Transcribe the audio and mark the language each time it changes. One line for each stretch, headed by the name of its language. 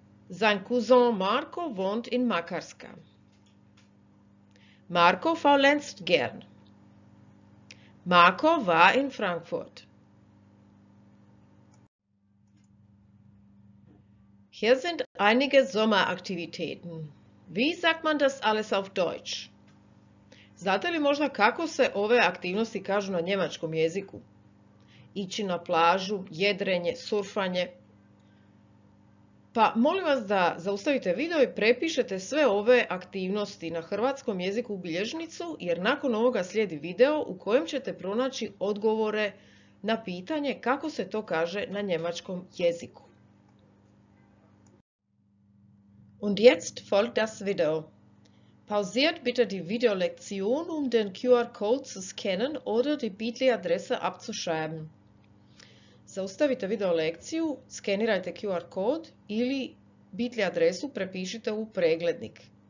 German: Sein Cousin Marco wohnt in Makarska. Marco faulenzt gern. Marco war in Frankfurt. Hier sind einige Sommeraktivitäten. Wie sagt man das alles auf Deutsch?
Croatian: Znate li možda kako se ove aktivnosti kažu na njemačkom jeziku? Ići na plažu, jedrenje, surfanje. Pa molim vas da zaustavite video i prepišete sve ove aktivnosti na hrvatskom jeziku u bilježnicu, jer nakon ovoga slijedi video u kojem ćete pronaći odgovore na pitanje kako se to kaže na njemačkom jeziku.
German: Und jetzt folgt das Video. Pausiert bitte die Videolektion, den QR-Code zu scannen oder die Bitly-Adresse abzuschreiben.
Croatian: Zaustavite videolekciju, skenirajte QR-kod ili Bitly-adresu prepišite u preglednik.